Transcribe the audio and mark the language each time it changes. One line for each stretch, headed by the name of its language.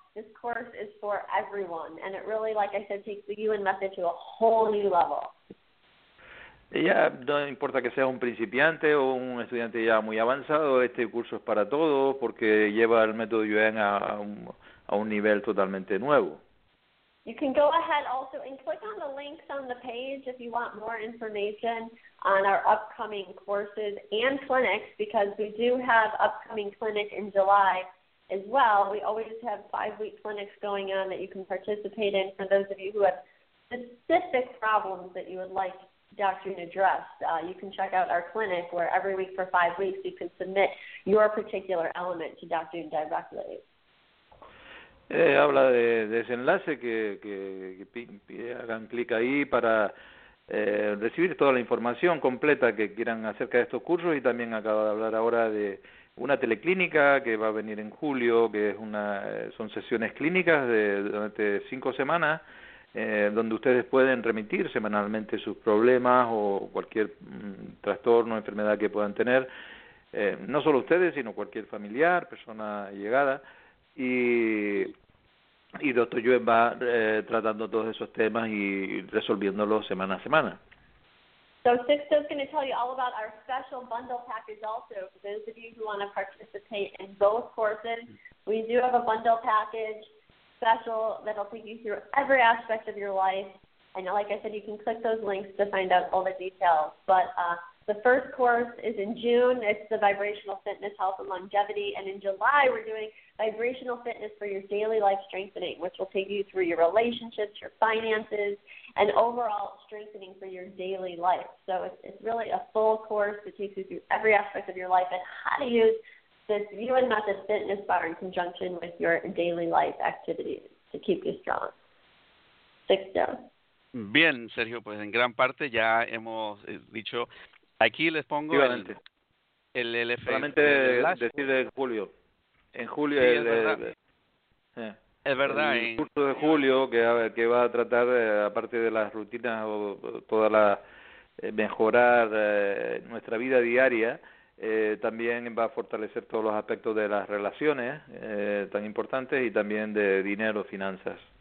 English: This course is for everyone, and it really, like I said, takes the UN method to a whole new level.
Spanish: Yeah, no importa que seas un principiante o un estudiante ya muy avanzado, este curso es para todos porque lleva el método UN a un nivel totalmente nuevo.
English: You can go ahead also and click on the links on the page if you want more information on our upcoming courses and clinics, because we do have upcoming clinic in July as well. We always have 5-week clinics going on that you can participate in for those of you who have specific problems that you would like Dr. Yuen addressed. You can check out our clinic where every week for 5 weeks you can submit your particular element to Dr. Yuen directly.
Spanish: Habla de ese enlace que hagan clic ahí para recibir toda la información completa que quieran acerca de estos cursos, y también acaba de hablar ahora de una teleclínica que va a venir en julio, que son sesiones clínicas durante 5 semanas, donde ustedes pueden remitir semanalmente sus problemas o cualquier trastorno o enfermedad que puedan tener, no solo ustedes sino cualquier familiar, persona llegada, y Dr. Yuen va tratando todos esos temas y resolviéndolos semana a semana.
English: So Sixto's going to tell you all about our special bundle package also. For those of you who want to participate in both courses, we do have a bundle package special that'll take you through every aspect of your life. And like I said, you can click those links to find out all the details. But the first course is in June. It's the Vibrational Fitness, Health, and Longevity. And in July, we're doing Vibrational Fitness for Your Daily Life Strengthening, which will take you through your relationships, your finances, and overall strengthening for your daily life. So it's really a full course that takes you through every aspect of your life and how to use this UN Method Fitness Bar in conjunction with your daily life activities to keep you strong. Sixto.
Spanish: Bien, Sergio, pues en gran parte ya hemos dicho. Aquí les pongo el elefante. Solamente decir en julio. En julio. Sí, es verdad. El curso de julio que va a tratar, aparte de las rutinas o toda la mejorar nuestra vida diaria, también va a fortalecer todos los aspectos de las relaciones tan importantes, y también de dinero, finanzas.